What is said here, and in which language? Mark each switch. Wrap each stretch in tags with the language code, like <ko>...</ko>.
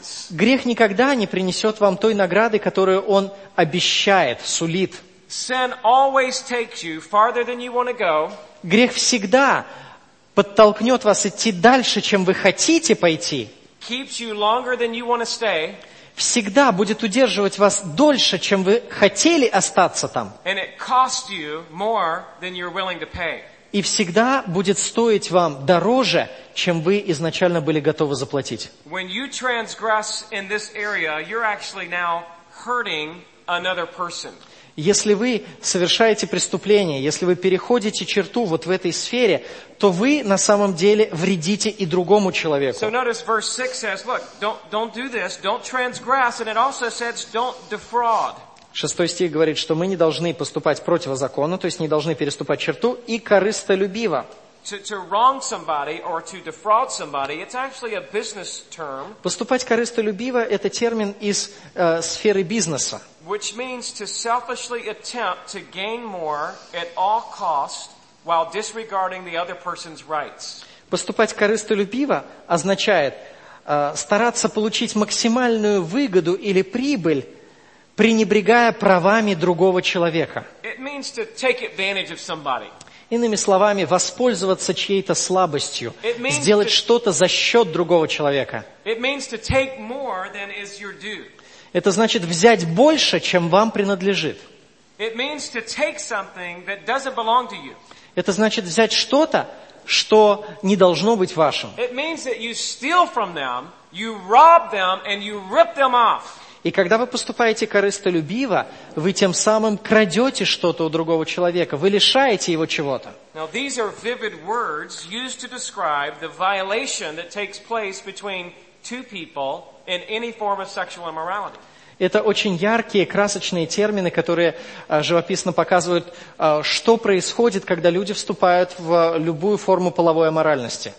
<ru>Грех никогда не принесет вам той награды, которую он обещает, сулит.</ru> <en>Sin always takes you farther than you want to go.</en> <ru>Грех всегда подтолкнет вас идти дальше, чем вы хотите пойти.</ru> <en>Keeps you longer than you want to stay.</en> <ru>Всегда будет удерживать вас дольше, чем вы хотели остаться там.</ru> <en>And it costs you more than you're willing to pay.</en> <ru>И всегда будет стоить вам дороже, чем вы изначально были готовы заплатить.</ru> <en>When you transgress in this area, you're actually now hurting another person.</en> <ru>Если вы совершаете преступление, если вы переходите черту вот в этой сфере, то вы на самом деле вредите и другому человеку.</ru> <en>So notice verse 6 says, look, don't do this, don't transgress, and it also says, don't defraud.</en> <ru>Шестой стих говорит, что мы не должны поступать противозаконно, то есть не должны переступать черту, и корыстолюбиво.</ru> <en>To wrong somebody or to defraud somebody, it's actually a business term.</en> <ru>Поступать корыстолюбиво – это термин из сферы бизнеса.</ru> <en>Which means to selfishly attempt to gain more at all cost while disregarding the other person's rights.</en> <ru>Поступать корыстолюбиво означает стараться получить максимальную выгоду или прибыль, пренебрегая правами другого человека.</ru> <en>It means to take advantage of somebody.</en> <ru>Иными словами, воспользоваться чьей-то слабостью, сделать что-то за счет другого человека.</ru> <en>It means to take more than is your due.</en> <ru>Это значит взять больше, чем вам принадлежит.</ru> <en>It means to take something that doesn't belong to you.</en> <ru>Это значит взять что-то, что не должно быть вашим.</ru> <en>It means that you steal from them, you rob them, and you rip them off.</en> <ru>И когда вы поступаете корыстолюбиво, вы тем самым крадете что-то у другого человека, вы лишаете его чего-то.</ru> <en>Now these are vivid words used to describe the violation that takes place between two people in any form of sexual immorality.</en> <ru>Это очень яркие, красочные термины, которые живописно показывают, что происходит, когда люди вступают в любую форму половой аморальности.</ru>